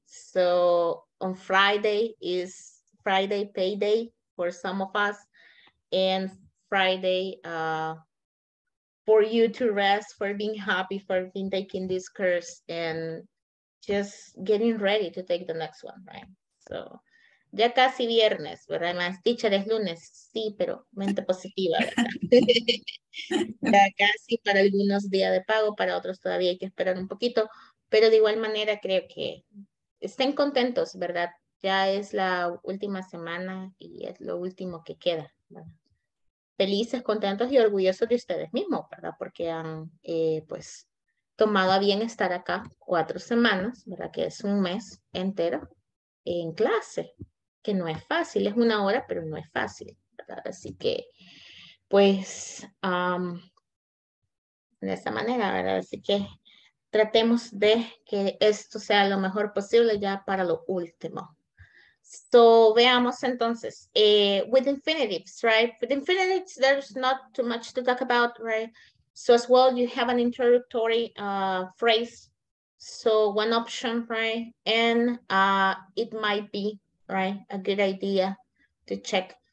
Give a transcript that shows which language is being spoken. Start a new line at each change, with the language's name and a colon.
English: So, on Friday is Friday payday for some of us. And Friday for you to rest, for being happy, for being taking this course and just getting ready to take the next one, right?
Spanish: So, ya casi viernes, ¿verdad? Más teacher es lunes, sí, pero mente positiva, ¿verdad? Ya casi para algunos día de pago, para otros todavía hay que esperar un poquito, pero de igual manera creo que estén contentos, ¿verdad? Ya es la última semana y es lo último que queda, ¿verdad? Felices, contentos y orgullosos de ustedes mismos, ¿verdad? Porque han, pues, tomado a bien estar acá 4 semanas, ¿verdad? Que es un mes entero en clase, que no es fácil, es una hora, pero no es fácil, ¿verdad? Así que, pues, de esa manera, ¿verdad? Así que tratemos de que esto sea lo mejor posible ya para lo último.
English: So,
Spanish: veamos entonces,
English: with infinitives, right? With infinitives, there's not too much to talk about, right? So as well, you have an introductory phrase. So one option, right? And it might be, right, a good idea to check.